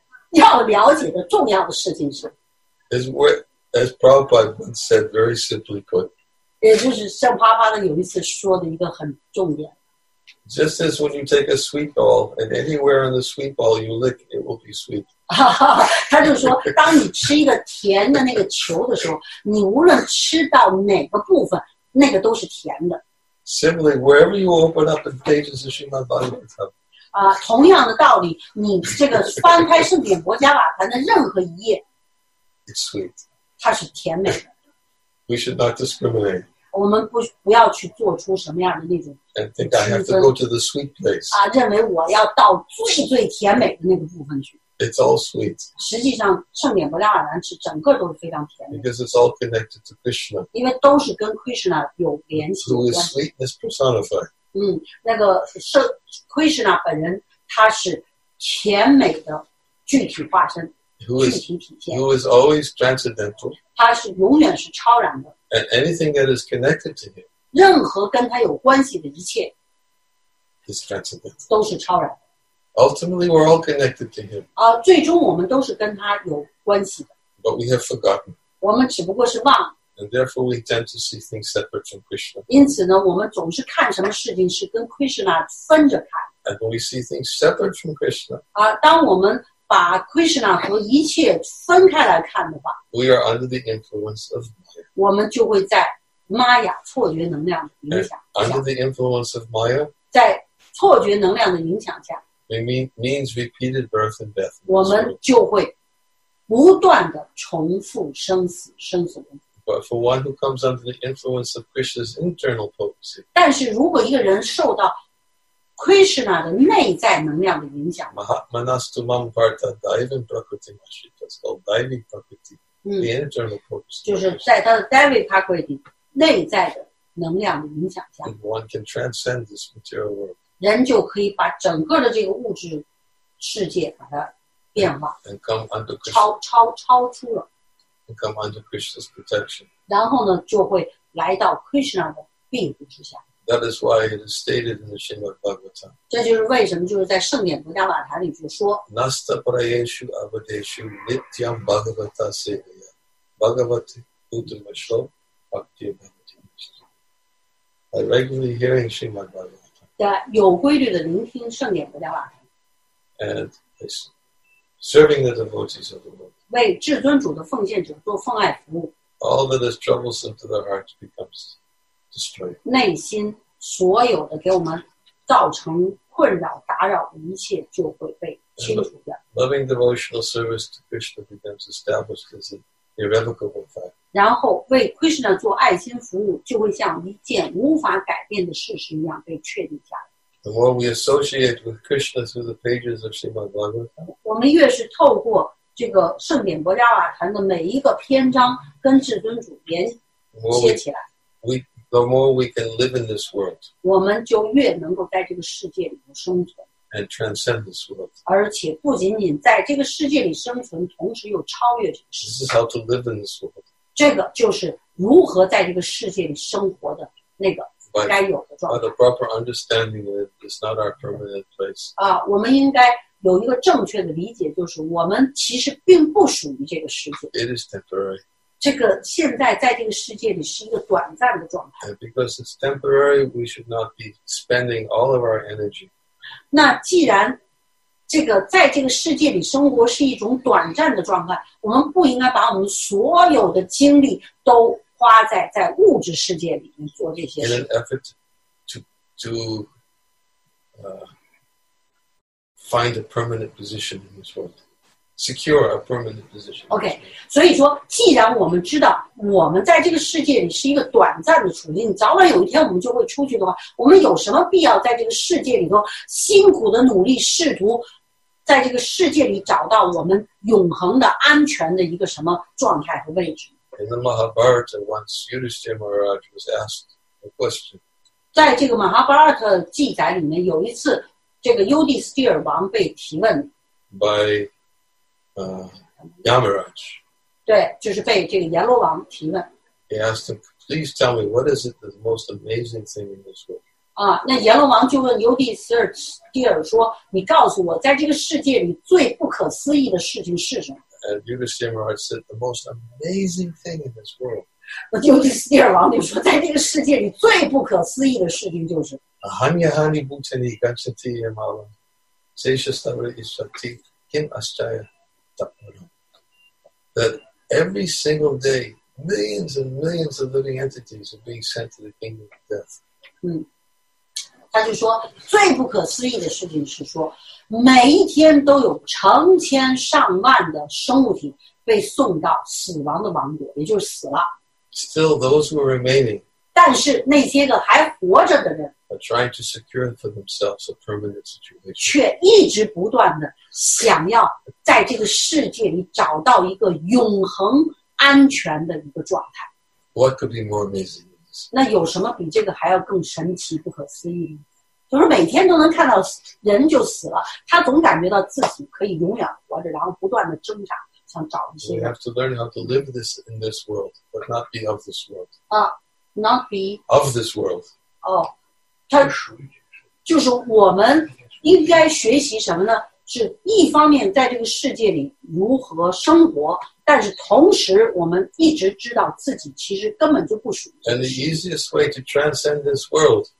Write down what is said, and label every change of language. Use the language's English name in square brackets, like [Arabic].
[Chinese] 要了解的重要的事情是, [English] is where, as Prabhupada once said, very simply put. [Chinese] 也就是像巴巴的有一次说的一个很重点, [English] just as when you take a sweet ball, and anywhere in the sweet ball you lick, it will be sweet. [Chinese] 他就说,当你吃一个甜的那个球的时候, 你无论吃到哪个部分, [English] Similarly, wherever you open up the pages of Srimad Bhagavatam, [Chinese] 啊，同样的道理，你这个翻开圣典伯加瓦坛的任何一页 [English] ，It's sweet， [Chinese] 它是甜美的。 [English] We should not discriminate。 [Chinese] 我们不要去做出什么样的那种。 [English] And think I have to go to the sweet place。 [Chinese] 啊，认为我要到最最甜美的那个部分去。 [English] It's all sweet。 [Chinese] 实际上，圣典伯加瓦坛是整个都是非常甜美。 [English] Because it's all connected to Krishna。 [Chinese] 因为都是跟 Krishna 有联系。 [English] Who is sweetness personified？ [Chinese] 嗯，那个圣 Krishna 本人，他是甜美的具体化身， [English] who is, [Chinese] 具体体现。 [English] Who is always transcendental？ [Chinese] 他是永远是超然的。 [English] And anything that is connected to him， [Chinese] 任何跟他有关系的一切 [English] ，is transcendental， [Chinese] 都是超然的。 [English] Ultimately, we're all connected to him。 [Chinese] 啊，最终我们都是跟他有关系的。 [English] But we have forgotten。 [Chinese] 我们只不过是忘了。 [English] And therefore, we tend to see things separate from Krishna. [Chinese] 因此呢，我们总是看什么事情是跟 Krishna 分着看。 [English] And when we see things separate from Krishna, [Chinese] 啊，当我们把 Krishna 和一切分开来看的话， [English] we are under the influence of Maya. [Chinese] 我们就会在 Maya 错觉能量的影响下。 [English] And under the influence of Maya, [Chinese] 在错觉能量的影响下， [English] means repeated birth and death. [Chinese] 我们就会不断的重复生死，生死轮回。 [English] But for one who comes under the influence of Krishna's internal potency, [Chinese] 但是如果一个人受到 Krishna 的内在能量的影响， [Sanskrit] Mahatmanastu mam partha daivam prakriti mashita, [English] it's called daivam prakriti, the internal potency, [Chinese] 就是在他的 daivam prakriti 内在的能量的影响下， [English] one can transcend this material world. [Chinese] 人就可以把整个的这个物质世界把它变化， [English] and come under Krishna. [Chinese] 超出了。 [English] Come under Krishna's protection. [Chinese] 然后呢，就会来到 Krishna 的庇护之下。 [English] That is why it is stated in the Shrimad Bhagavatam. [Chinese] 这就是为什么就是在圣典伯加瓦坛里就说。 [Sanskrit] Nasta prayeshu abadeshu nityam bhagavata sevaya bhagavati udhamasho bhakti bhagavati. [English] By regularly hearing Shrimad Bhagavatam. [Chinese] 在有规律的聆听圣典伯加瓦坛。 [English] And this. Serving the devotees of the Lord. [Chinese] 为至尊主的奉献者做奉爱服务。 [English] All that is troublesome to the heart becomes destroyed. [Chinese] 内心所有的给我们造成困扰、打扰的一切就会被清除掉。 [English] Loving devotional service to Krishna becomes established as an irrevocable fact. [Chinese] 然后为 Krishna 做爱心服务就会像一件无法改变的事实一样被确定下来。 [English] The more we associate with Krishna through the pages of Shrimad Bhagavatam, [Chinese] 我们越是透过这个圣典伯加瓦坛的每一个篇章跟至尊主连接起来， [English] the more we can live in this world, [Chinese] 我们就越能够在这个世界里生存， [English] and transcend this world. [Chinese] 而且不仅仅在这个世界里生存，同时又超越这个世界。 [English] This is how to live in this world. [Chinese] 这个就是如何在这个世界里生活的那个。 [English] By the proper understanding that it's not our permanent place. [Chinese] 啊，我们应该有一个正确的理解，就是我们其实并不属于这个世界。 [English] It is temporary. [Chinese] 这个现在在这个世界里是一个短暂的状态。 [English] And because it's temporary, we should not be spending all of our energy. [Chinese] 那既然这个在这个世界里生活是一种短暂的状态，我们不应该把我们所有的精力都花在物质世界里面做这些事。 [English] In an effort to find a permanent position in this world, secure a permanent position. [Chinese] Okay, 所以说，既然我们知道我们在这个世界里是一个短暂的处境，早晚有一天我们就会出去的话，我们有什么必要在这个世界里头辛苦的努力，试图在这个世界里找到我们永恒的安全的一个什么状态和位置？ [English] In the Mahabharata, once Yudhishthira Maharaj was asked a question. [Chinese] 在这个 Mahabharata 记载里面，有一次，这个 Yudhishthira 王被提问。 [English] By Yamaraj. [Chinese] 对，就是被这个阎罗王提问。 [English] He asked him, "Please tell me what is it the most amazing thing in this world?" [Chinese] 啊，那阎罗王就问 Yudhishthira 说：“你告诉我，在这个世界里最不可思议的事情是什么？” [English] And Yudhishthira Maharaj said, "The most amazing thing in this world." [Chinese] 那就是第二王就说，在这个世界里最不可思议的事情就是。 [Sanskrit] Hanya hani bhutani ganchati yamala, seshastavra ishati kim ashaya taparam. [English] That every single day, millions and millions of living entities are being sent to the kingdom of death. 嗯， [Chinese] 他就说最不可思议的事情是说每一天都有成千上万的生物体被送到死亡的王国，也就是死了。 [English] Still those who are remaining, [Chinese] 但是那些个还活着的人 [English] are trying to secure for themselves a permanent situation. [Chinese] 却一直不断地想要在这个世界里找到一个永恒安全的一个状态。 [English] What could be more amazing? [Chinese] 那有什么比这个还要更神奇不可思议呢？就是每天都能看到人就死了，他总感觉到自己可以永远活着，然后不断地挣扎。 [English] We have to learn how to live this in this world, but not be of this world. Not be of this world. [Chinese] Oh, 它就是我们应该学习什么呢？是一方面在这个世界里如何生活，但是同时我们一直知道自己其实根本就不属于。 [English] And the easiest way to transcend this world.